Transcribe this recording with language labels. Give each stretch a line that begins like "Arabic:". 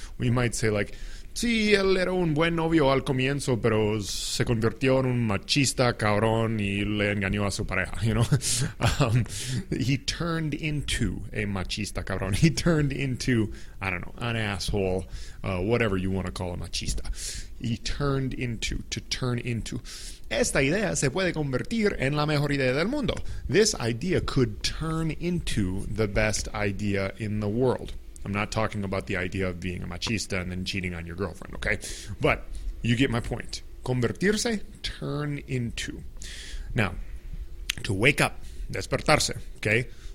English: We might say like,
Spanish: sí, él era un buen novio al comienzo, pero se convirtió en un machista cabrón y le engañó a su pareja,
English: you know? He turned into a
Spanish: machista cabrón.
English: He turned into, I don't know, an asshole, whatever you want to call a machista. He turned into, to turn into.
Spanish: Esta idea se puede convertir en la mejor idea del mundo.
English: This idea could turn into the best idea in the world. I'm not talking about the idea of being a machista and then cheating on your girlfriend, okay? But you get my point. Convertirse, turn into. Now, to wake up, despertarse, okay?